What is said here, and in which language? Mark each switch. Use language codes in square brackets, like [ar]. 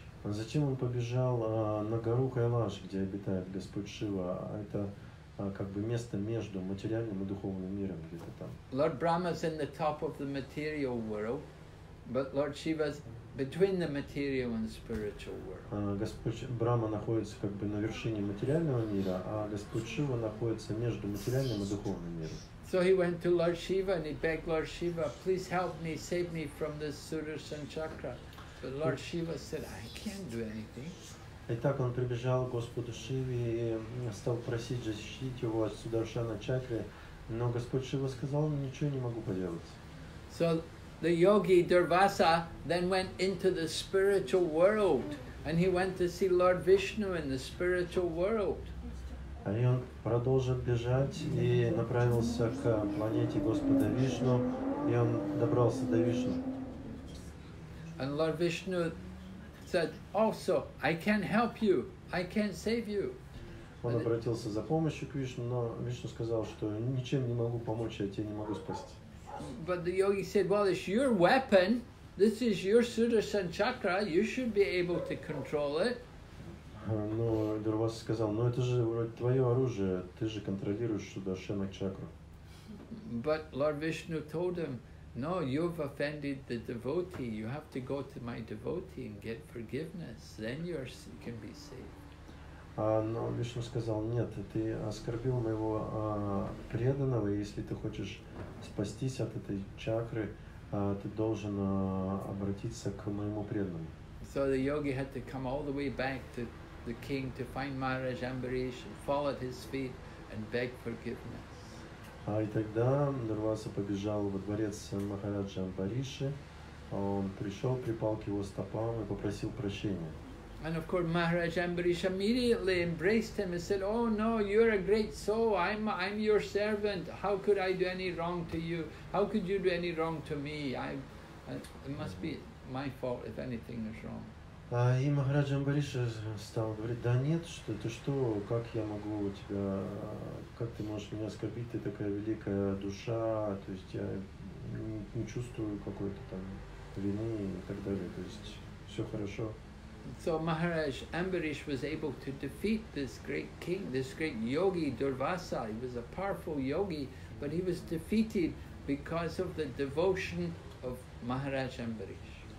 [ru] Затем он побежал на гору Кайлаш, где обитает Господь Шива. Это как бы место между материальным и духовным миром где-то там. [en] Lord Brahma's in the top of the material world, but Lord Shiva's between the material and spiritual world. [ru] Господь Брахма находится как бы на вершине материального мира, а Господь Шива находится между материальным и духовным миром. [en] So he went to Lord Shiva and he begged Lord Shiva, please help me, save me from this Sudarshan chakra. But Lord Shiva said, I can't do anything. [ru] И так он прибежал к Господу Шиве и стал просить защитить его от Сударшана чакры, но Господь Шива сказал, ничего не могу поделать. [en] So the yogi Durvasa then went into the spiritual world and he went to see Lord Vishnu in the spiritual world. [ru] И он продолжил бежать и направился к планете Господа Вишну, и он добрался до Вишну. [en] And Lord Vishnu said, also, I can't help you, I can't save you. [ru] Он обратился за помощью к Вишну, но Вишну сказал, что ничем не могу помочь, я тебя не могу спасти. [en] But the yogi said, well, it's your weapon, this is your Sudarshan chakra, you should be able to control it. [ru] Но Дурвас сказал, ну это же вроде твое оружие, ты же контролируешь Сударшану чакру. [en] But Lord Vishnu told him, no, you've offended the devotee, you have to go to my devotee and get forgiveness, then you can be saved. [ru] Но Вишну сказал, нет, ты оскорбил моего преданного, и если ты хочешь спастись от этой чакры, ты должен обратиться к моему преданному. [en] So the yogi had to come all the way back to the king to find Maharaj Ambarish and fall at his feet and beg forgiveness. [ru] И тогда Дурваса побежал во дворец Махараджа Амбариши, он пришел, припал к его стопам и попросил прощения. [en] And of course, Maharaj Ambarish immediately embraced him and said, oh no, you're a great soul, I'm your servant, how could I do any wrong to you? How could you do any wrong to me? It must be my fault if anything is wrong. [ru] И Махарадж Амбариш стал говорить, да нет, что ты что, как я могу у тебя, как ты можешь меня оскорбить, ты такая великая душа, то есть я не чувствую какой-то там вины и так далее, то есть все хорошо. [en] So Maharaj Ambarish was able to defeat this great king, this great yogi Durvasa. He was a powerful yogi, but he was defeated because of the devotion of Maharaj Ambarish.